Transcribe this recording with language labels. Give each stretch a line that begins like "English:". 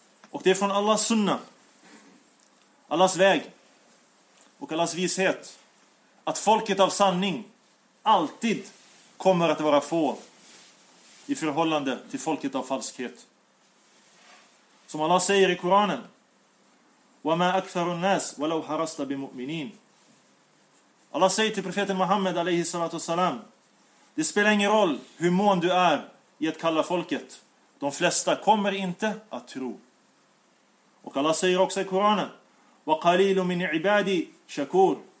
Swedish: Och det är från Allahs sunna, Allahs väg och Allahs vishet, att folket av sanning alltid kommer att vara få i förhållande till folket av falskhet. Som Allah säger i Koranen:
Arabic: وَمَا أَكْثَرُ النَّاسِ وَلَوْ حَرَصْتَ بِمُؤْمِنِينَ.
Swedish: Allah säger till profeten Muhammed alayhi salatu wasalam: det spelar ingen roll hur mån du är i att kalla folket, de flesta kommer inte att tro. Och Allah säger också i Koranen:
Arabic: وَقَلِيلُ مِنْ عِبَادِي شَكُور.